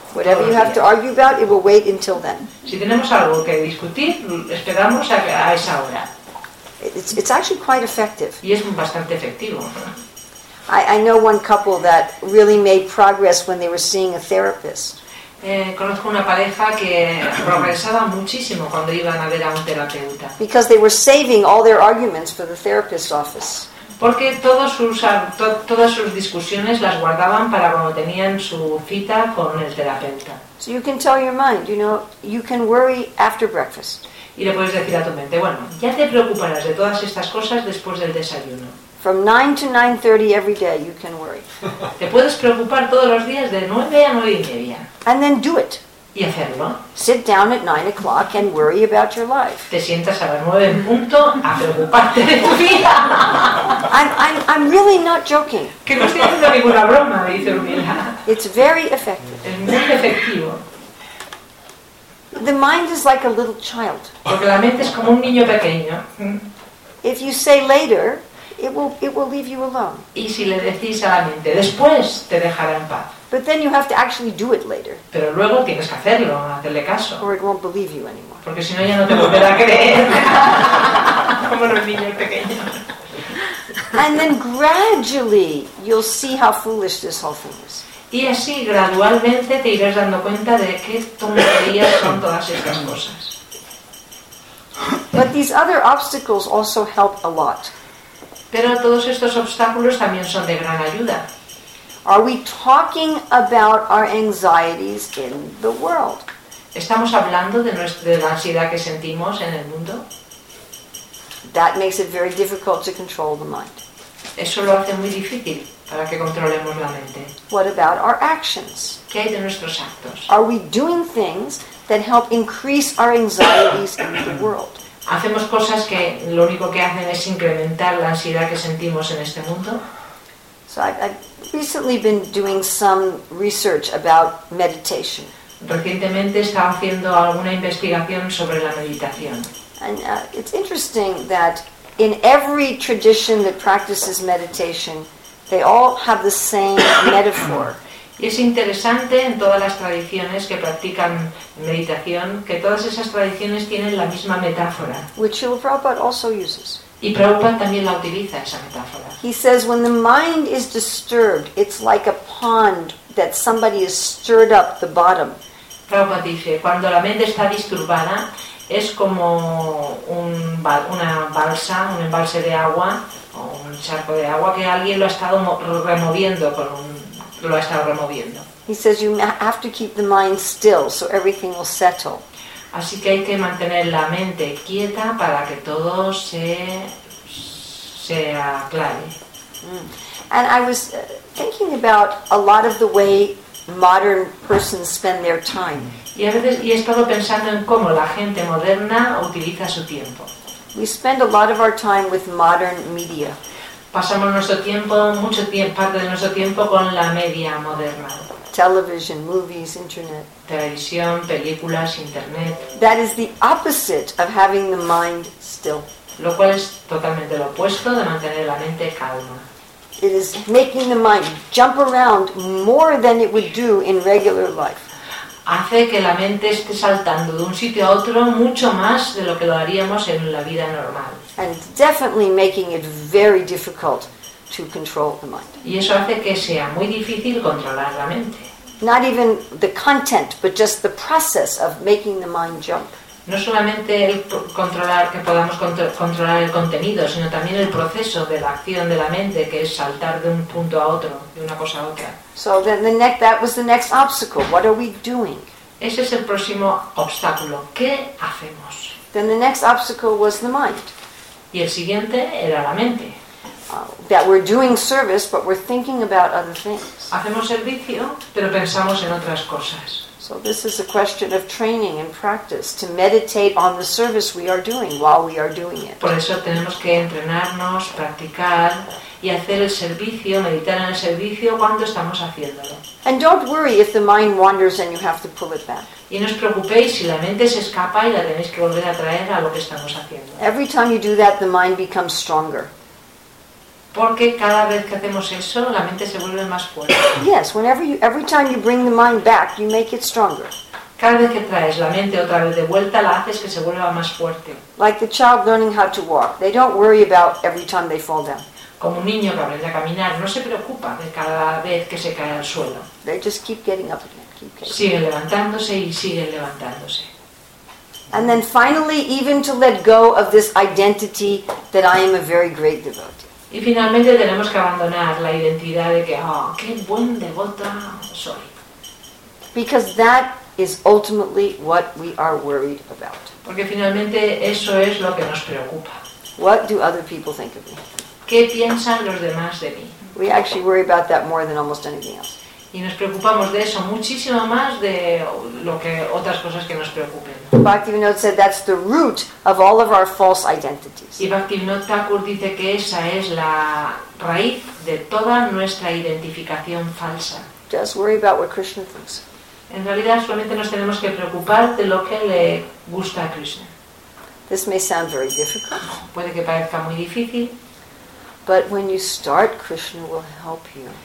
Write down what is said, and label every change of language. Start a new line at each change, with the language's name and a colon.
English: Whatever you have to argue about, it will wait until then.
Spanish: Si tenemos algo que discutir, esperamos a esa hora.
English: It's actually quite effective.
Spanish: Y es bastante efectivo.
English: I know one couple that really made progress when they were seeing a therapist.
Spanish: Conozco una pareja que progresaba muchísimo cuando iban a ver a un terapeuta.
English: Because they were saving all their arguments for the therapist's office.
Spanish: Porque todas sus discusiones las guardaban para cuando tenían su cita con el terapeuta.
English: So you can tell your mind, you know, you can worry after breakfast.
Spanish: Y le puedes decir a tu mente, bueno, ya te preocuparás de todas estas cosas después del desayuno.
English: From 9 to 9:30 every day you can worry.
Spanish: Te puedes preocupar todos los días de 9 a 9 y media.
English: And then do it.
Spanish: Y hacerlo.
English: Sit down at 9 o'clock and worry about your life.
Spanish: Te sientas a las 9 en punto a preocuparte de tu vida.
English: I'm really not joking.
Spanish: Que no estoy haciendo ninguna broma, dice Urmila.
English: It's very effective.
Spanish: Es muy efectivo.
English: The mind is like a little child.
Spanish: Porque la mente es como un niño pequeño.
English: If you say later, It will leave you alone.
Spanish: Y si le decís a la mente, después te dejará en paz.
English: But then you have to actually do it later.
Spanish: Pero luego tienes que hacerlo, hacerle caso.
English: Or it won't believe you anymore.
Spanish: Porque si no ya no te volverá a creer. Como los niños pequeños.
English: And then gradually you'll see how foolish this whole thing is.
Spanish: Y así gradualmente te irás dando cuenta de qué tonterías son todas estas cosas.
English: But these other obstacles also help a lot.
Spanish: Pero todos estos obstáculos también son de gran ayuda.
English: Are we talking about our anxieties in the world?
Spanish: ¿Estamos hablando de la ansiedad que sentimos en el mundo?
English: That makes it very difficult to control the mind.
Spanish: Eso lo hace muy difícil para que controlemos la mente.
English: What about our actions?
Spanish: ¿Qué hay de nuestros actos?
English: Are we doing things that help increase our anxieties in the world?
Spanish: ¿Hacemos cosas que lo único que hacen es incrementar la ansiedad que sentimos en este mundo?
English: So I've recently been doing some research about meditation.
Spanish: Recientemente estaba haciendo alguna investigación sobre la meditación.
English: And it's interesting that in every tradition that practices meditation, they all have the same metaphor.
Spanish: Y es interesante en todas las tradiciones que practican meditación que todas esas tradiciones tienen la misma metáfora.
English: Which Srila Prabhupada also uses.
Spanish: Y Prabhupada también la utiliza esa metáfora.
English: He says when the mind is disturbed, it's like a pond that somebody has stirred up the bottom.
Spanish: Prabhupada dice, cuando la mente está disturbada, es como una balsa, un embalse de agua, o un charco de agua que alguien lo ha estado removiendo lo ha estado removiendo.
English: He says you have to keep the mind still so everything will settle.
Spanish: Así que hay que mantener la mente quieta para que todo se aclare.
English: And I was thinking about a lot of the way modern persons spend their time.
Spanish: Y he estado pensando en cómo la gente moderna utiliza su tiempo.
English: We spend a lot of our time with modern media.
Spanish: Pasamos nuestro tiempo, mucho tiempo, parte de nuestro tiempo con la media moderna.
English: Television, movies, internet.
Spanish: Televisión, películas, internet.
English: That is the opposite of having the mind still.
Spanish: Lo cual es totalmente lo opuesto de mantener la mente calma.
English: It is making the mind jump around more than it would do in regular life.
Spanish: Hace que la mente esté saltando de un sitio a otro mucho más de lo que lo haríamos en la vida normal.
English: And definitely making it very difficult to control the mind.
Spanish: Y eso hace que sea muy difícil controlar la mente.
English: Not even the content, but just the process of making the mind jump.
Spanish: No solamente el controlar que podamos controlar el contenido, sino también el proceso de la acción de la mente, que es saltar de un punto a otro, de una cosa a otra.
English: So then that was the next obstacle. What are we doing?
Spanish: Ese es el próximo obstáculo. ¿Qué hacemos?
English: Then the next obstacle was the mind.
Spanish: Y el siguiente era la mente.
English: That we're doing service, but we're thinking about other things.
Spanish: Hacemos servicio, pero pensamos en otras cosas.
English: So this is a question of training and practice to meditate on the service we are doing while we are doing it.
Spanish: Por eso tenemos que entrenarnos, practicar y hacer el servicio, meditar en el servicio cuando estamos haciéndolo.
English: And don't worry if the mind wanders and you have to pull it back.
Spanish: Y no os preocupéis si la mente se escapa y la tenéis que volver a traer a lo que estamos haciendo.
English: Every time you do that, the mind becomes stronger.
Spanish: Porque cada vez que hacemos eso, la mente se vuelve más fuerte.
English: Yes, every time you bring the mind back, you make it stronger.
Spanish: Cada vez que traes la mente otra vez de vuelta, la haces que se vuelva más fuerte.
English: Like the child learning how to walk, they don't worry about every time they fall down.
Spanish: Como un niño que aprende a caminar, no se preocupa de cada vez que se cae al suelo.
English: They just keep getting up again.
Spanish: Sigue levantándose y sigue levantándose.
English: And then finally, even to let go of this identity that I am a very great devotee.
Spanish: Y finalmente tenemos que abandonar la identidad de que, oh, qué buen devota soy.
English: Because that is ultimately what we are worried about.
Spanish: Porque finalmente eso es lo que nos preocupa.
English: What do other people think of me?
Spanish: ¿Qué piensan los demás de mí?
English: We actually worry about that more than almost anything else.
Spanish: Y nos preocupamos de eso muchísimo más de lo que otras cosas que nos preocupen.
English: Bhaktivinoda said that's the root of all of our false identities.
Spanish: Y Bhaktivinoda Thakur dice que esa es la raíz de toda nuestra identificación falsa.
English: Just worry about what Krishna thinks.
Spanish: En realidad solamente nos tenemos que preocupar de lo que le gusta a Krishna.
English: This may sound very difficult.
Spanish: Puede que parezca muy difícil.
English: But when you start, Krishna will help you.